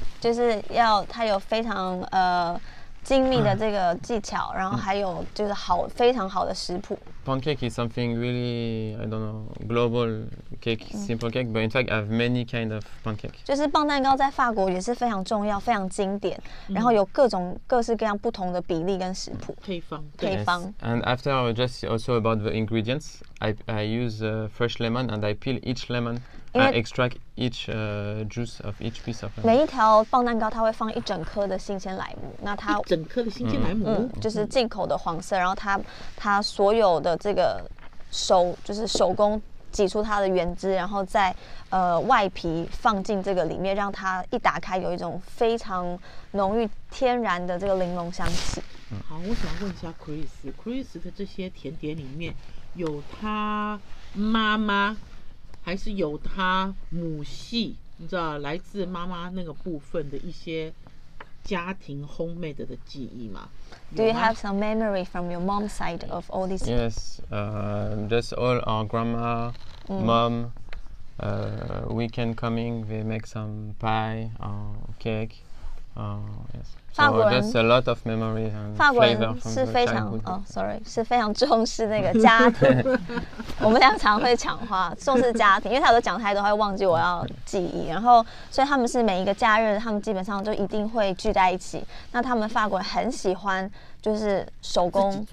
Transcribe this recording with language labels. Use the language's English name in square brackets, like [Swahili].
[Chinese] 就是要它有非常精密的这个技巧，然后还有就是好非常好的食谱。 [English] Pound cake is something really I don't know global cake, simple cake, but in fact I have many kind of pound cake. [Chinese] 就是棒蛋糕在法国也是非常重要、非常经典，然后有各种各式各样不同的比例跟食谱。配方，配方。 [English] Yes. And after I just also about the ingredients, I use fresh lemon and I peel each lemon. I extract each juice of each piece of lemon. [Chinese] 每一条棒蛋糕它会放一整颗的新鲜莱姆，那它一整颗的新鲜莱姆，就是进口的黄色，然后它所有。的这个手工挤出它的原汁，然后再外皮放进这个里面，让它一打开有一种非常浓郁天然的这个柠檬香气。好，我想问一下 Chris 的这些甜点里面有他妈妈还是有他母系，你知道来自妈妈那个部分的一些家庭 homemade 的记忆吗？ [English] Do you have some memory from your mom's side of all this? Yes, just all our grandma, mom, weekend coming, we make some pie or cake. Yes. So that's a lot of memory and flavor from the childhood. [Chinese] 是非常是非常重视那个家庭。我们俩常会抢话，重视家庭，因为他都讲太多，他会忘记我要记忆。然后，所以他们是每一个假日，他们基本上就一定会聚在一起。那他们法国人很喜欢，就是手工